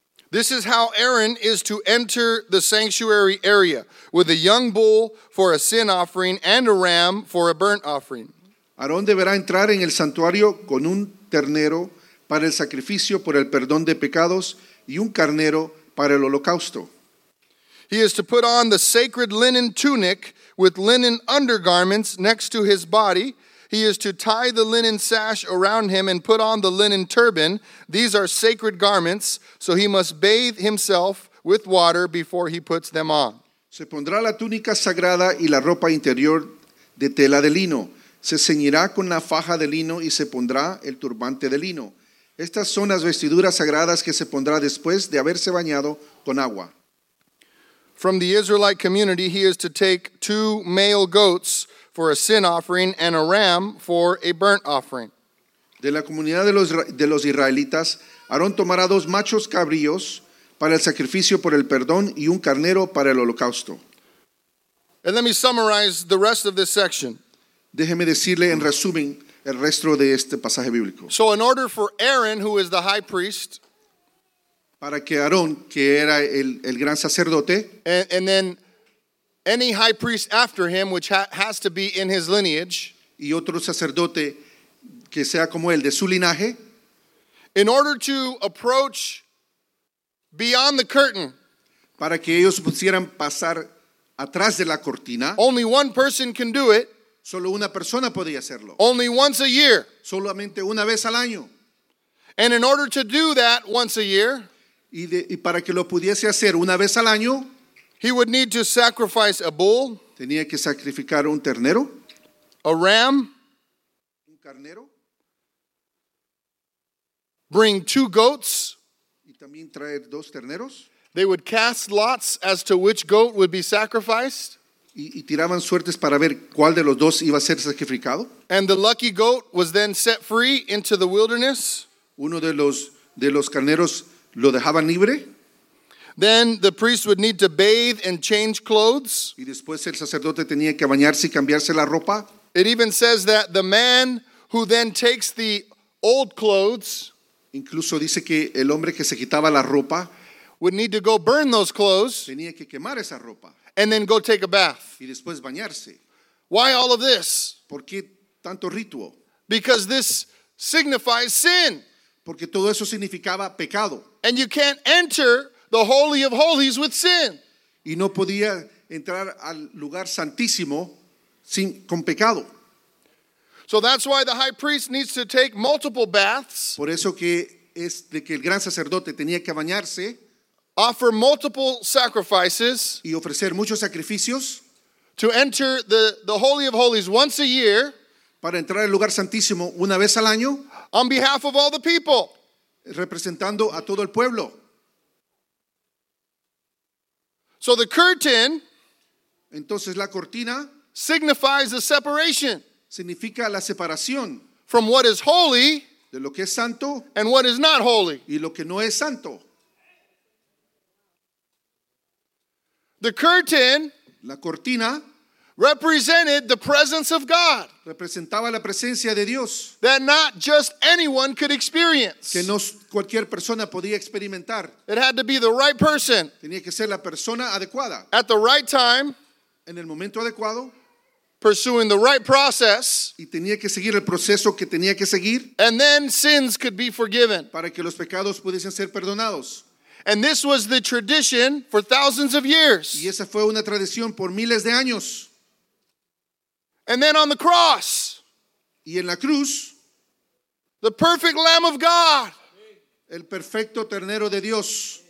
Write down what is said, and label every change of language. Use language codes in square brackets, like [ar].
[en] This is how Aaron is to enter the sanctuary area, with a young bull for a sin offering and a ram for a burnt offering. [es] Aarón deberá entrar en el santuario con un ternero para el sacrificio por el perdón de pecados y un carnero para el holocausto. [en] He is to put on the sacred linen tunic with linen undergarments next to his body. He is to tie the linen sash around him and put on the linen turban. These are sacred garments, so he must bathe himself with water before he puts them on. [es] Se pondrá la túnica sagrada y la ropa interior de tela de lino. Se ceñirá con la faja de lino y se pondrá el turbante de lino. Estas son las vestiduras sagradas que se pondrá después de haberse bañado con agua. [en] From the Israelite community, he is to take two male goats for a sin offering and a ram for a burnt offering. [es] De la comunidad de los israelitas, Aarón tomará dos machos cabríos para el sacrificio por el perdón y un carnero para el holocausto. [en] And let me summarize the rest of this section. [es] Déjeme decirle en resumen el resto de este pasaje bíblico. [en] So in order for Aaron, who is the high priest, [es] para que Aarón, que era el gran sacerdote, [en] and then any high priest after him, which has to be in his lineage, [es] y otro sacerdote que sea como él, de su linaje, [en] in order to approach beyond the curtain, [es] para que ellos pudieran pasar atrás de la cortina, [en] only one person can do it. [es] Solo una persona podía hacerlo. [en] Only once a year. [es] Solamente una vez al año. [en] And in order to do that once a year, [es] y para que lo pudiese hacer una vez al año, [en] he would need to sacrifice a bull. [es] Tenía que sacrificar un ternero. [en] A ram. [es] Un carnero. [en] Bring two goats. [es] Y también traer dos terneros. [en] They would cast lots as to which goat would be sacrificed. [es] Y tiraban suertes para ver cuál de los dos iba a ser sacrificado. [en] And the lucky goat was then set free into the wilderness. [es] Uno de los carneros lo dejaban libre. [en] Then the priest would need to bathe and change clothes. [es] Y después el sacerdote tenía que bañarse y cambiarse la ropa. [en] It even says that the man who then takes the old clothes, [es] incluso dice que el hombre que se quitaba la ropa, [en] would need to go burn those clothes. [es] Tenía que quemar esa ropa. [en] And then go take a bath. [es] Y después bañarse. [en] Why all of this? [es] ¿Por qué tanto ritual? [en] Because this signifies sin. [es] Porque todo eso significaba pecado. [en] And you can't enter the Holy of Holies with sin. [es] Y no podía entrar al lugar santísimo sin, con pecado. [en] So that's why the high priest needs to take multiple baths. [es] Por eso que es de que el gran sacerdote tenía que bañarse. [en] Offer multiple sacrifices. [es] Y ofrecer muchos sacrificios. [en] To enter the Holy of Holies once a year. [es] Para entrar al lugar santísimo una vez al año. [en] On behalf of all the people. [es] Representando a todo el pueblo. [en] So the curtain. [es] Entonces la cortina. [en] Signifies the separation. [es] Significa la separación. [en] From what is holy. [es] De lo que es santo. [en] And what is not holy. [es] Y lo que no es santo. [en] The curtain. [es] La cortina. [en] Represented the presence of God. [es] Representaba la presencia de Dios. [en] That not just anyone could experience. [es] Que no cualquier persona podía experimentar. [en] It had to be the right person. [es] Tenía que ser la persona adecuada. [en] At the right time. [es] En el momento adecuado. [en] Pursuing the right process. [es] Y tenía que seguir el proceso que tenía que seguir. [en] And then sins could be forgiven. [es] Para que los pecados pudiesen ser perdonados. [en] And this was the tradition for thousands of years. [es] Y esa fue una tradición por miles de años. [en] And then on the cross. [es] Y en la cruz. [en] The perfect Lamb of God. [es] El perfecto ternero de Dios.